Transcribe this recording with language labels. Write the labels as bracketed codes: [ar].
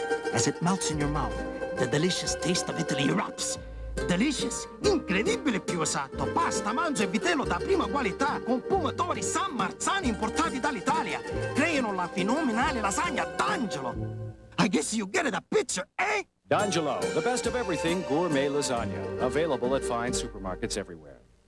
[en] As it melts in your mouth, the delicious taste of Italy erupts. [it] Delicious, incredibile più esatto. Pasta, manzo e vitello da prima qualità con pomodori San Marzano importati dall'Italia creano la fenomenale lasagna D'Angelo. [en] I guess you get it a picture, eh? D'Angelo, the best of everything gourmet lasagna. Available at fine supermarkets everywhere.